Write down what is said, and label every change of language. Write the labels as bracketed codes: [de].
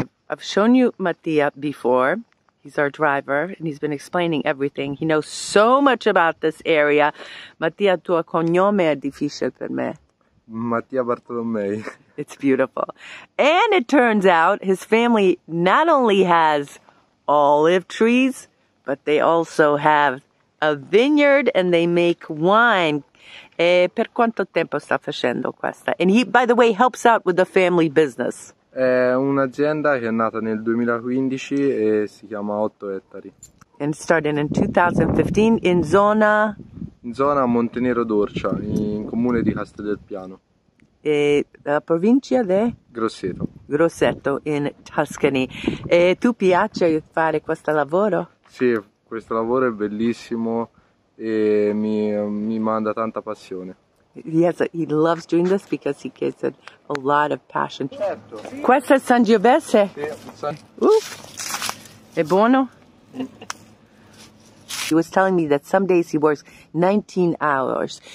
[en] I've shown you Mattia before. He's our driver and he's been explaining everything. He knows so much about this area. [it] Mattia, tuo cognome è difficile per me. Mattia Bartolomei. [en] It's beautiful. And it turns out his family not only has olive trees, but they also have a vineyard and they make wine. [it] E per quanto tempo sta facendo questa? [en] And he, by the way, helps out with the family business. [it] È un'azienda che è nata nel 2015 e si chiama 8 ettari. [en] And started in 2015 [it] in zona Montenero d'Orcia, in comune di Casteldelpiano. E la provincia di? Grosseto. [en] Grosseto, in Tuscany. [it] E tu piace fare questo lavoro? Sì, questo lavoro è bellissimo e mi manda tanta passione. [en] Yes, he loves doing this because he gives it a lot of passion. [it] Questo è Sangiovese. È buono? [en] He was telling me that some days he works 19 hours.